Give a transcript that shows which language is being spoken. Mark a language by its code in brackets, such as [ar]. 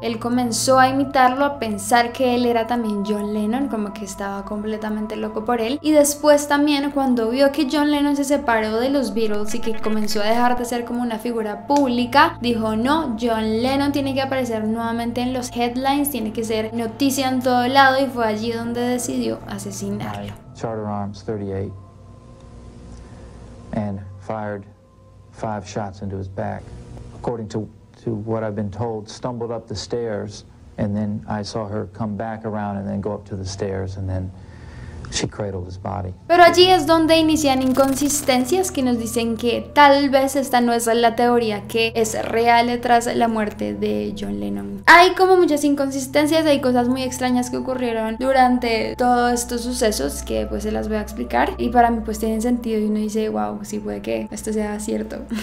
[es] Él comenzó a imitarlo, a pensar que él era también John Lennon, como que estaba completamente loco por él. Y después también cuando vio que John Lennon se separó de los Beatles y que comenzó a dejar de ser como una figura pública, dijo: no, John Lennon tiene que aparecer nuevamente en los headlines, tiene que ser noticia en todo lado, y fue allí donde decidió asesinarlo. [en] Charter Arms 38 and fired 5 shots into his back. According to what I've been told, stumbled up the stairs and then I saw her come back around and then go up to the stairs and then she cradled his body. [es] Pero allí es donde inician inconsistencias que nos dicen que tal vez esta no es la teoría que es real tras la muerte de John Lennon. Hay como muchas inconsistencias, hay cosas muy extrañas que ocurrieron durante todos estos sucesos que pues se las voy a explicar, y para mí pues tienen sentido y uno dice: wow, sí, puede que esto sea cierto.